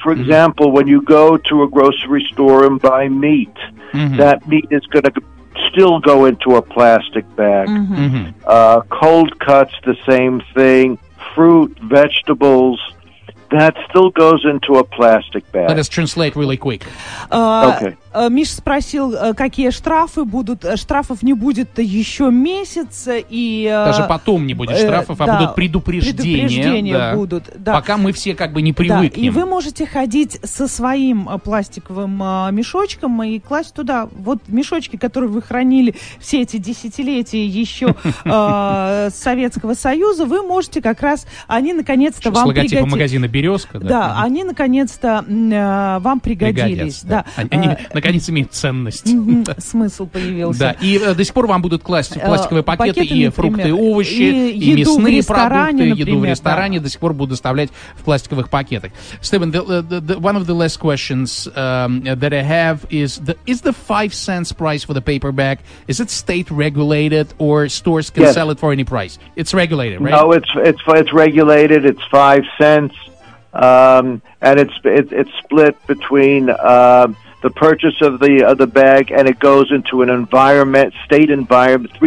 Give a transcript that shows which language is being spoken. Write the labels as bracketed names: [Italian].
[English] For example, when you go to a grocery store and buy meat, that meat is going to still go into a plastic bag. Cold cuts, the same thing. Fruit, vegetables, that still goes into a plastic bag. Let us translate really quick. [Russian] Миш спросил, какие штрафы будут. Штрафов не будет еще месяц. И, даже потом не будет штрафов, а будут предупреждения. Предупреждения будут. Да. Пока мы все как бы не привыкнем. И вы можете ходить со своим пластиковым мешочком и класть туда. Вот мешочки, которые вы хранили все эти десятилетия еще с Советского Союза, вы можете как раз, они наконец-то вам пригодились. С логотипом магазина «Березка». Да, да, они наконец-то вам пригодились. Наконец, имеет ценность. Смысл появился. Да, и до сих пор вам будут класть пластиковые пакеты, и фрукты, и овощи, и мясные продукты, еду в ресторане до сих пор будут доставлять в пластиковых пакетах. [English] Стивен, one of the last questions that I have is the 5 cents price for the paper bag, is it state regulated or stores can sell it for any price? It's regulated, right? No, it's regulated, it's 5 cents, and it's split between the purchase of the bag, and it goes into an environment, state environment.